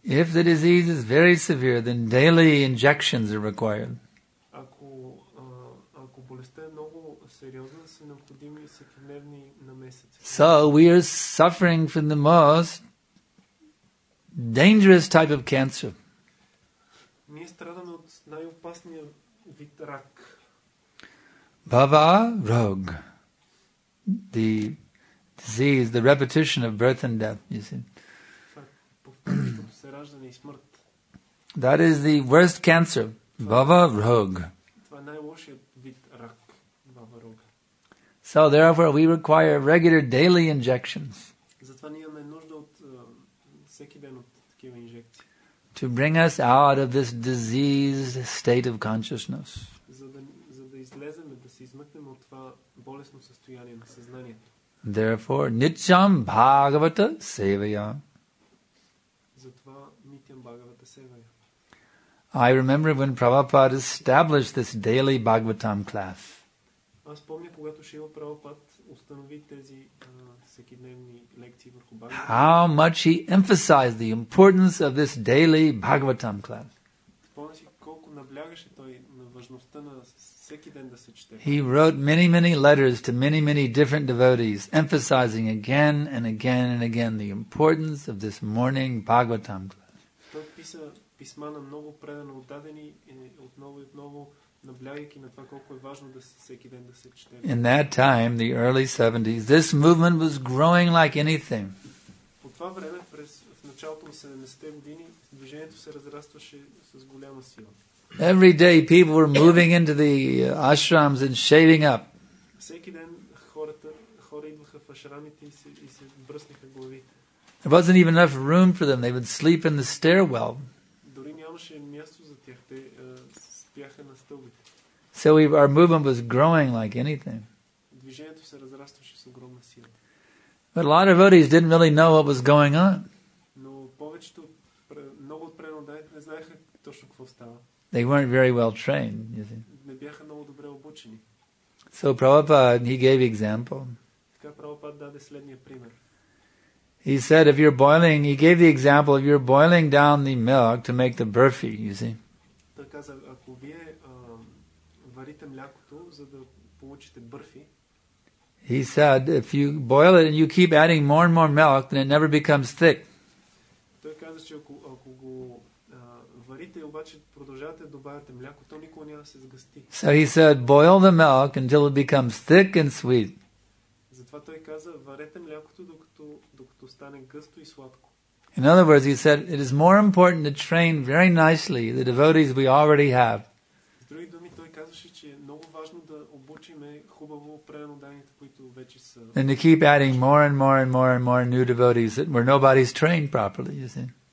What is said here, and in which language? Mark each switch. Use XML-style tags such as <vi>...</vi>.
<en>If the disease is very severe, then daily injections are required.</en> <bg>Ако болестта е много сериозна, са необходими всекидневни на месец.</bg> <en>So we are suffering from the most dangerous type of cancer.</en> <bg>Ние страдаме от най-опасния вид рак.</bg> <sa>Bhava rog.</sa> <en>The disease, the repetition of birth and death, you see.</en> <bg>Повторното се раждане и смърт.</bg> <en>That is the worst cancer.</en> <sa>Bhava rog.</sa> <bg>Това е най-лошият вид рак.</bg> <sa>Bhava rog.</sa> <en>So therefore we require regular daily injections.</en> <bg>Затова ние имаме нужда от всеки ден от такива инжекции.</bg> <en>To bring us out of this diseased state of consciousness.</en> <bg>За да излезем, да се измъкнем от това болесно състояние на съзнанието.</bg> <en>Therefore,</en> <sa>Nityam Bhagavata Sevaya.</sa> <bg>Затова</bg> <sa>Nityam Bhagavata Sevaya.</sa> <en>I remember when Prabhupada established this daily Bhagavatam class.</en> <bg>Аз помня, когато Шрила Прабхупада установи тези всекидневни лекции върху Бхагаватам.</bg> <en>How much he emphasized the importance of this daily Bhagavatam class.</en> <bg>Помня си колко наблягаше той на важността на всеки ден да се чете.</bg> <en>He wrote many, many letters to many, many different devotees, emphasizing again and again and again the importance of this morning Bhagavatam class.</en> <bg>Той писа писма на много предано отдадени и отново и отново наблягайки на това колко е важно да се всеки ден да се чете.</bg> <en>In that time, the early 70s, this movement was growing like anything.</en> <bg>По това време, в началото на 70-те години, движението се разрастваше с голяма сила.</bg> <en>Every day people were moving into the ashrams and shaving up.</en> <bg>Всеки ден хора идваха в ашрамите и се бръснаха главите.</bg> <en>There wasn't even enough room for them. They would sleep in the stairwell.</en> <bg>Дори нямаше място за тях. Те спяха на стълбите.</bg> <en>So our movement was growing like anything.</en> <bg>Движението се разрастваше с огромна сила.</bg> <en>But a lot of devotees didn't really know what was going on.</en> <bg>Но повечето, много от преноданите не знаеха точно какво става.</bg> <en>They weren't very well trained, you see.</en> <bg>Не бяха много добре обучени.</bg> <en>So Prabhupada, he gave example.</en> <bg>Така Прабхупада даде следния пример.</bg> <en>He said, if you're boiling, he gave the example, if you're boiling down the milk to make the burfi, you see.</en> <bg>Той каза, ако вие варите млякото, за да получите бърфи.</bg> <en>He said, if you boil it and you keep adding more and more milk, then it never becomes thick.</en> <bg>Той каза, че ако го варите и обаче продължавате да добавяте мляко, то никога няма да се сгъсти.</bg> <en>So he said, boil the milk until it becomes thick and sweet.</en> <bg>Затова той каза, варете млякото, докато стане гъсто и сладко.</bg> <en>In other words, he said, it is more important to train very nicely the devotees we already have.</en> <bg>С други думи, той казваше, че е много важно да обучиме хубаво преноданите, които вече са.</bg> <en>And to keep adding more and more and more and more new devotees where nobody's trained properly, you see.</en>